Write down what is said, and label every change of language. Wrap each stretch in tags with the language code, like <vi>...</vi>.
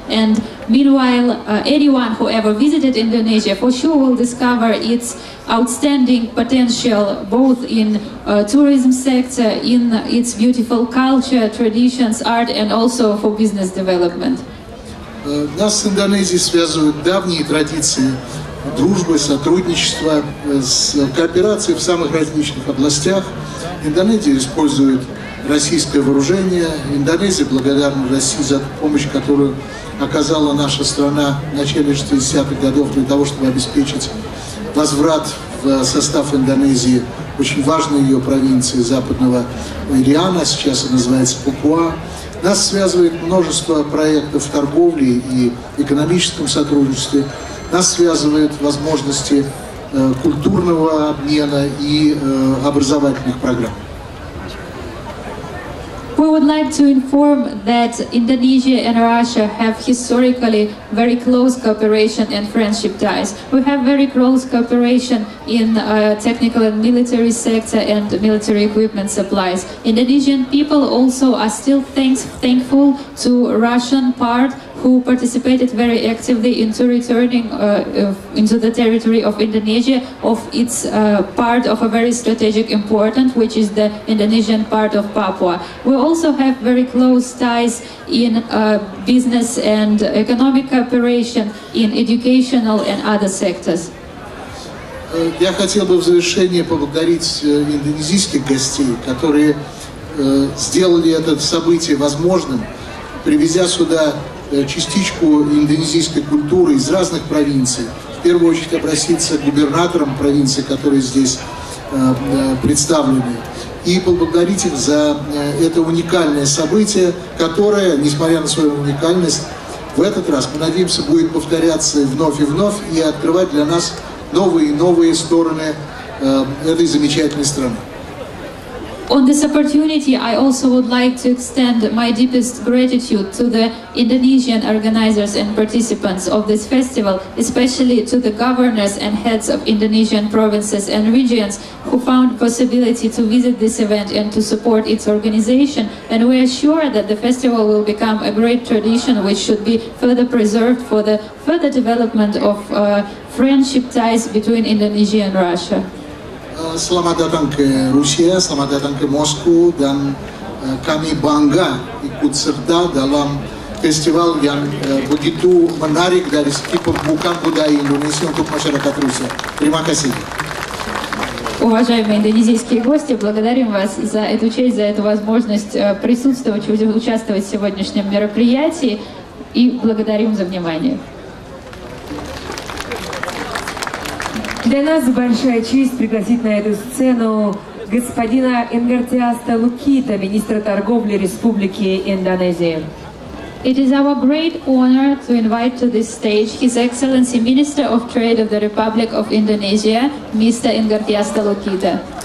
<en>And meanwhile, anyone who ever visited Indonesia for sure will discover its outstanding potential, both in tourism sector, in its beautiful culture, traditions, art, and also for business development.</en> <ru>Нас с Индонезией связывают давние традиции дружбы, сотрудничества, кооперации в самых различных областях. Индонезия использует российское вооружение. Индонезия благодарна России за помощь, которую оказала наша страна в начале 60-х годов для того, чтобы обеспечить возврат в состав Индонезии очень важной ее провинции Западного Ириана, сейчас она называется Папуа. Нас связывает множество проектов в торговле и экономическом сотрудничестве. Нас связывают возможности культурного обмена и образовательных программ.</ru> <en>We would like to inform that Indonesia and Russia have historically very close cooperation and friendship ties. We have very close cooperation in technical and military sector and military equipment supplies. Indonesian people also are still thankful to Russian part who participated very actively into returning into the territory of Indonesia of its part of a very strategic important, which is the Indonesian part of Papua. We also have very close ties in business and economic cooperation in educational and other sectors.</en> <ru>Я хотел бы в завершение поблагодарить индонезийских гостей, которые сделали это событие возможным, привезя сюда частичку индонезийской культуры из разных провинций. В первую очередь обратиться к губернаторам провинции, которые здесь представлены, и поблагодарить их за это уникальное событие, которое, несмотря на свою уникальность, в этот раз, мы надеемся, будет повторяться вновь и вновь и открывать для нас новые и новые стороны этой замечательной страны.</ru> <en>On this opportunity, I also would like to extend my deepest gratitude to the Indonesian organizers and participants of this festival, especially to the governors and heads of Indonesian provinces and regions who found possibility to visit this event and to support its organization. And we are sure that the festival will become a great tradition which should be further preserved for the further development of friendship ties between Indonesia and Russia.</en> <id>Selamat datang ke Rusia, selamat datang ke Moskow, dan kami bangga ikut serta dalam festival yang begitu menarik dari segi pembukaan budaya Indonesia untuk masyarakat Rusia. Terima kasih.</id> <ru>Уважаемые индонезийские гости, благодарим вас за эту честь, за эту возможность присутствовать, участвовать в сегодняшнем мероприятии и благодарим за внимание. Для нас большая честь пригласить на эту сцену господина Энгартиаста Лукита, министра торговли Республики Индонезии.</ru> <en>It is our great honor to invite to this stage His Excellency Minister of Trade of the Republic of Indonesia, Mr.</en> <ru>Энгартиаста Лукита.</ru>